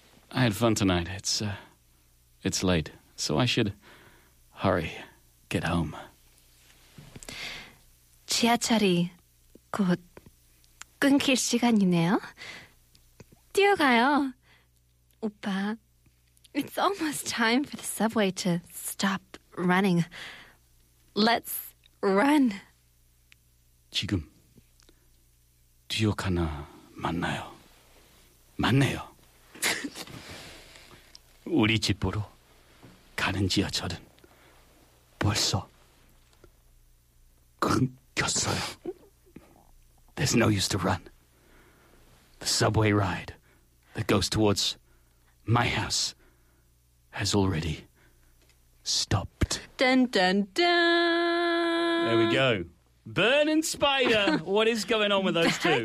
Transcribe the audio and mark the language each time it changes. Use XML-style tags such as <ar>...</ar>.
<en>I had fun tonight. It's late, so I should hurry. Get home.</en> <ko>지하철이 곧 끊길 시간이네요. 뛰어가요. 오빠,</ko> <en>it's almost time for the subway to stop running. Let's run.</en> <ko>지금 뛰어가나 맞나요? 맞네요. 우리 집으로 가는 지하철은 벌써 끊겼어요.</ko> <en>There's no use to run. The subway ride that goes towards my house has already stopped. Dun, dun, dun. There we go. Burn and Spider. What is going on with those two?</en>